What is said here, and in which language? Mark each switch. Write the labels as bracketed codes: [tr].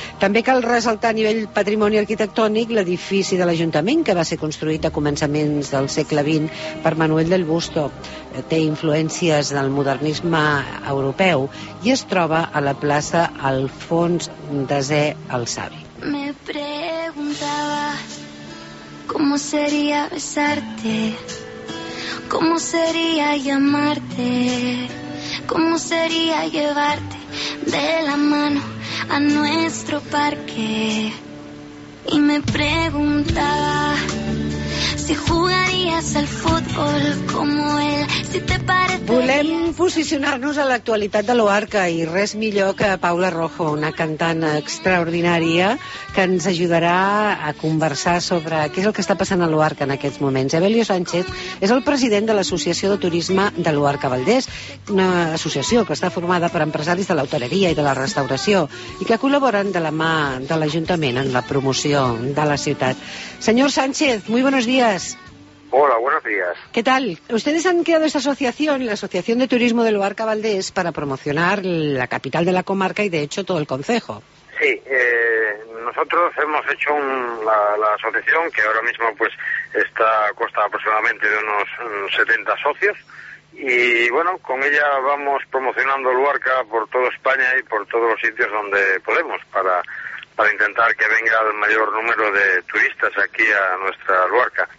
[ca] També cal ressaltar a nivell patrimoni arquitectònic l'edifici de l'Ajuntament, que va ser construït a començaments del segle XX per Manuel del Busto. Té influències del modernisme europeu i es troba a la plaça Alfons X el Savi. [es] Me preguntaba cómo sería besarte, cómo sería llamarte, cómo sería llevarte de la mano a nuestro parque. Y me preguntaba si jugarías al fútbol como él, si te parecerías... [ca] Volem posicionar-nos a l'actualitat de Luarca, i res millor que Paula Rojo, una cantant extraordinària que ens ajudarà a conversar sobre què és el que està passant a Luarca en aquests moments. Evelio Sánchez és el president de l'Associació de Turisme de Luarca Valdés, una associació que està formada per empresaris de l'hoteleria i de la restauració i que col·laboren de la mà de l'Ajuntament en la promoció de la ciutat. [es] Senyor Sánchez, muy buenos días. Hola, buenos días. ¿Qué tal? Ustedes han creado esta asociación, la Asociación de Turismo de Luarca Valdés, para promocionar la capital de la comarca y, de hecho, todo el concejo. Sí, nosotros hemos hecho la asociación, que ahora mismo pues está consta aproximadamente de unos 70 socios, y bueno, con ella vamos promocionando Luarca por toda España y por todos los sitios donde podemos, para intentar que venga el mayor número de turistas aquí a nuestra Luarca.